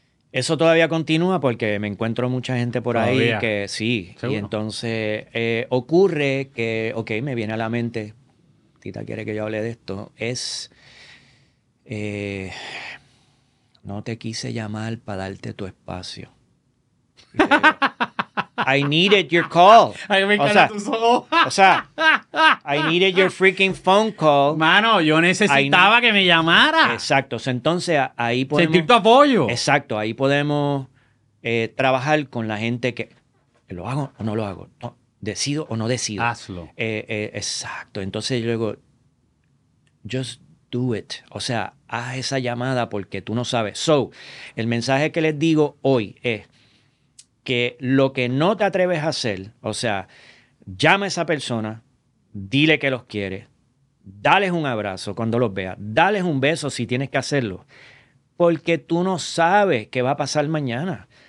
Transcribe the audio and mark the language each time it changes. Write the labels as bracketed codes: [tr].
[es] Eso todavía continúa porque me encuentro mucha gente por ahí que sí. ¿Seguro? Y entonces ocurre que, ok, me viene a la mente, Tita quiere que yo hable de esto, es, no te quise llamar para darte tu espacio. [en] I needed your call. [es] Ay, me encanta tu solo. O sea, [en] I needed your freaking phone call. [es] Mano, yo necesitaba que me llamara. Exacto. Entonces, ahí podemos... Sentir tu apoyo. Exacto. Ahí podemos trabajar con la gente que... ¿Lo hago o no lo hago? No, ¿decido o no decido? Hazlo. Exacto. Entonces, luego, [en] just do it. [es] O sea, haz esa llamada porque tú no sabes. So, el mensaje que les digo hoy es... que lo que no te atreves a hacer, o sea, llama a esa persona, dile que los quieres, dales un abrazo cuando los veas, dales un beso si tienes que hacerlo, porque tú no sabes qué va a pasar mañana.